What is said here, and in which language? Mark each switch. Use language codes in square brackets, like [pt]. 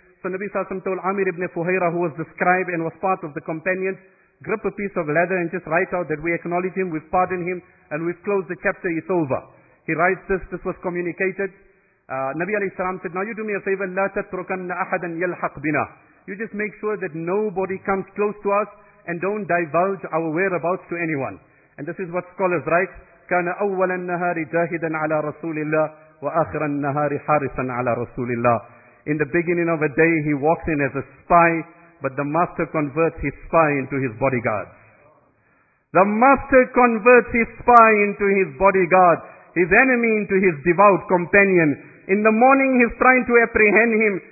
[en] So Nabi Sallallahu Alaihi Wasallam told Amir ibn Fuhayra, who was the scribe and was part of the companions, grip a piece of leather and just write out that we acknowledge him, we've pardoned him, and we've closed the chapter, it's over. He writes this, this was communicated. Nabi alayhi salam said, now you do me a favor, [ar] لا تتركن أحدا يلحق بنا. [en] You just make sure that nobody comes close to us and don't divulge our whereabouts to anyone. And this is what scholars write, [ar] كان أول النهار جاهدا على رسول الله وآخر النهار حارسا على رسول الله. [en] In the beginning of a day, he walks in as a spy, but the master converts his spy into his bodyguard. The master converts his spy into his bodyguard. His enemy into his devout companion. In the morning he's trying to apprehend him.